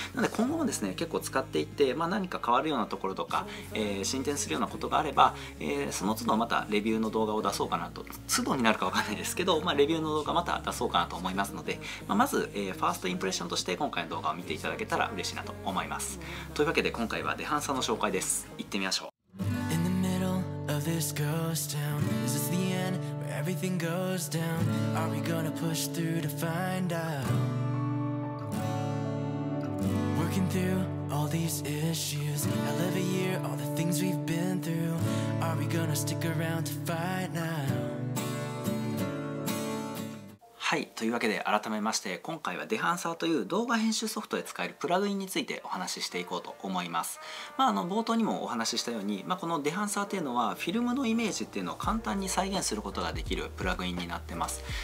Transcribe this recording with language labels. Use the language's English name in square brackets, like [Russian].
[Japanese] なので今後もですね結構使っていって、まあ、何か変わるようなところとか、進展するようなことがあれば、その都度またレビューの動画を出そうかなと、都度になるかわかんないですけど、まあ、レビューの動画また出そうかなと思いますので、まあ、まず、ファーストインプレッションとして今回の動画を見ていただけたら嬉しいなと思います。というわけで今回はデハンサーの紹介です。行ってみましょう。 [English] In the middle of this ghost town Is this the end where everything goes down Are we gonna push through to find out Working throughAll these issues, I live a year, all the things we've been through. Are we gonna stick around to fight now? [Japanese] はい、というわけで改めまして今回はデハンサーという動画編集ソフトで使えるプラグインについてお話ししていこうと思います。まあ、冒頭にもお話ししたように、まあ、このデハンサーっていうのはフィルムのイメージっていうのを簡単に再現することができるプラグインになってます。